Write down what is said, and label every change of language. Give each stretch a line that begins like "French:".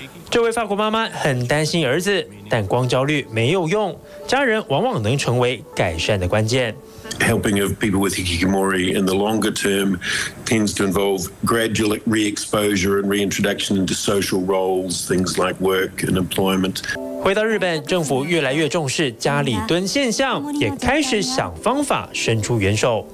Chinese: 这位法国妈妈很担心儿子，但光焦虑没有用，家人往往能成为改善的关键。
English: Helping of people with hikikomori in the longer term tends to involve gradual re-exposure and reintroduction into social roles, things like work and employment.
Chinese: 回到日本，政府越来越重视家里蹲现象，也开始想方法伸出援手。